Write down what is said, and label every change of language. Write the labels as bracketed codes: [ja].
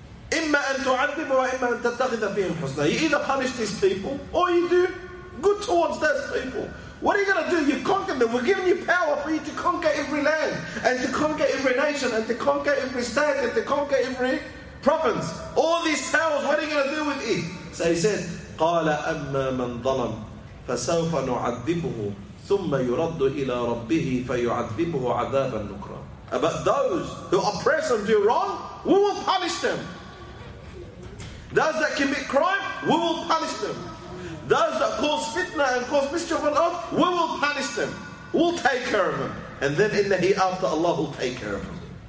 [ar] إِمَّا أَن تُعَذِّبُ وَإِمَّا أَن تَتَّخِذَ فِيهِمْ حُسْنًا. [en] You either punish these people, or you do good towards those people. What are you going to do? You've conquered them. We're giving you power for you to conquer every land, and to conquer every nation, and to conquer every state, and to conquer every province. All these towers, what are you going to do with it? So he said, [ar] قَالَ أَمَّا مَنْ ظَلَمْ فَسَوْفَ نُعَذِّبُهُ ثُمَّ يُرَدُّ إِلَىٰ رَبِّهِ فَيُعَذِّبُهُ عَذَابًا نُكْرًا. [en] About those who oppress and do wrong, we will punish them. Those that commit crime, we will punish them. Those that cause fitna and cause mischief on earth, we will punish them. We'll take care of them. And then in the hereafter, Allah will take care of them.